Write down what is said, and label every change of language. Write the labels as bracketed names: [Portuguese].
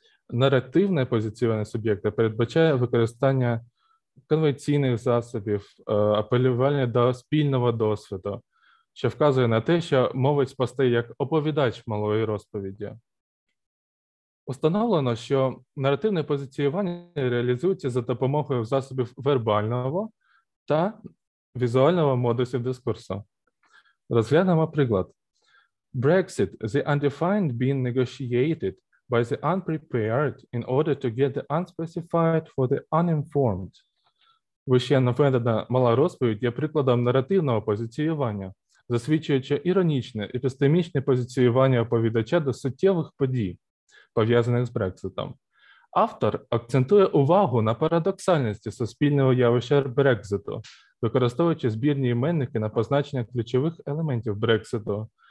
[Ukrainian] Наративне позиціювання суб'єкта передбачає використання конвенційних засобів, апелювання до спільного досвіду, що вказує на те, що мовець постає як оповідач малої розповіді. Установлено, що наративне позиціювання реалізується за допомогою засобів вербального та візуального модусів дискурсу. Розглянемо приклад. [English] Brexit – the undefined being negotiated by the unprepared in order to get the unspecified for the uninformed. [Ukrainian] Вище наведена мала розповідь є прикладом наративного позиціювання, засвідчуючи іронічне епістемічне позиціювання оповідача до суттєвих подій, пов'язаних з Брекситом. Автор акцентує увагу на парадоксальності суспільного явища Брекситу, використовуючи збірні іменники на позначення ключових елементів Брекситу.